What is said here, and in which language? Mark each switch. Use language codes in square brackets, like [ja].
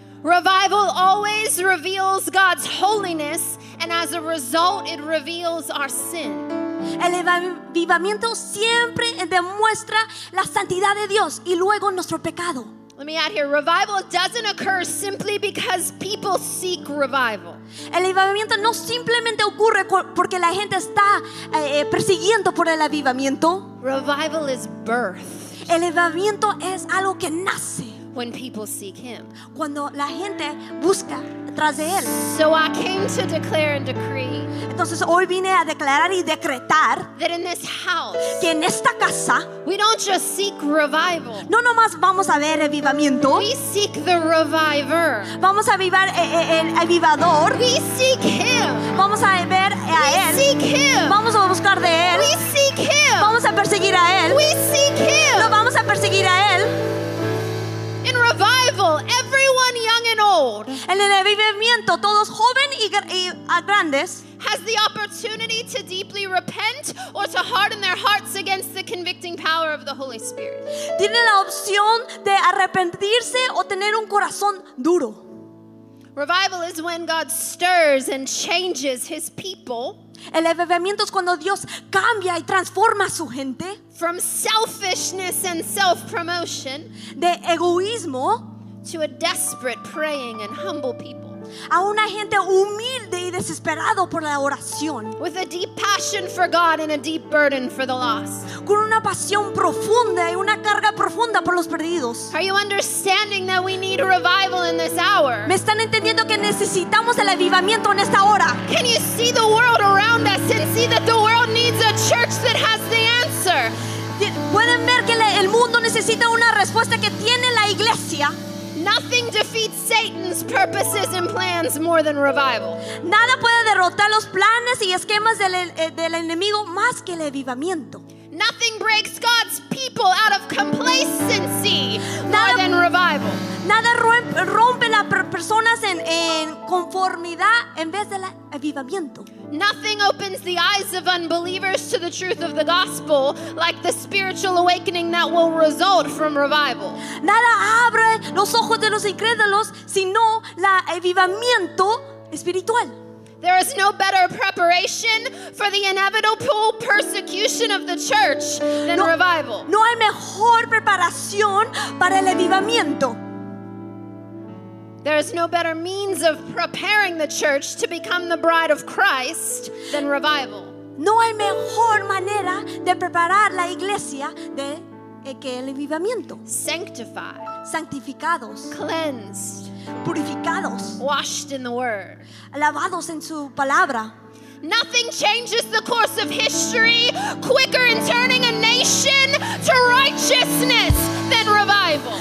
[en] Revival always reveals God's holiness, and as a result, it reveals our sin. [es] El avivamiento siempre demuestra la santidad de Dios y luego nuestro pecado. [en] Let me add here, revival doesn't occur simply because people seek revival. [es] El avivamiento no simplemente ocurre porque la gente está persiguiendo por el avivamiento. [en] Revival is birth. [es] El avivamiento es algo que nace. [en] When people seek him. [es] Cuando la gente busca tras de él. [en] So I came to declare and decree. [es] Entonces hoy vine a declarar y decretar. [en] That in this house. [es] Que en esta casa. [en] We don't just seek revival. [es] No nomás vamos a ver avivamiento. [en] We seek the reviver. [es] Vamos a avivar el avivador. [en] We seek him. [es] Vamos a ver a [en] we [es] él. [en] We seek him. [es] Vamos a buscar de él. [en] We seek him. [es] Vamos a perseguir a él. [en] We seek him. [es] Lo vamos a perseguir a él. [en] In revival, everyone young and old. [es] En el avivamiento, tanto, todos joven y grandes, [en] has the opportunity to deeply repent or to harden their hearts against the convicting power of the Holy Spirit. [es] Tienen la opción de arrepentirse o tener un corazón duro. [en] Revival is when God stirs and changes His people. [es] El avivamiento es cuando Dios cambia y transforma a su gente. [en] From selfishness and self-promotion. [es] De egoísmo. [en] To a desperate, praying, and humble people. [es] A una gente humilde y desesperado por la oración. [en] With a deep passion for God and a deep burden for the lost. [es] Con una pasión profunda y una carga profunda por los perdidos. [en] Are you understanding that we need revival in this hour? [es] ¿Me están entendiendo que necesitamos el avivamiento en esta hora? [en] Can you see the world around us and see that the world needs a church that has the answer? [es] ¿Pueden ver que el mundo necesita una respuesta que tiene la iglesia? [en] Nothing defeats Satan's purposes and plans more than revival. [es] Nada puede derrotar los planes y esquemas del enemigo más que el avivamiento. [en] Nothing breaks God's people out of complacency more than revival. [es] Nada rompe las personas en conformidad en vez del avivamiento. [en] Nothing opens the eyes of unbelievers to the truth of the gospel like the spiritual awakening that will result from revival. [es] Nada abre los ojos de los incrédulos sino el avivamiento espiritual. [en] There is no better preparation for the inevitable persecution of the church than revival. [es] No hay mejor preparación para el avivamiento. [en] There is no better means of preparing the church to become the bride of Christ than revival. [es] No hay mejor manera de preparar la iglesia de que el avivamiento. [en] Sanctified. [es] Santificados. [en] Cleansed. [es] Purificados. [en] Washed in the word. [es] Lavados en su palabra. [en] Nothing changes the course of history quicker in turning a nation to righteousness than revival.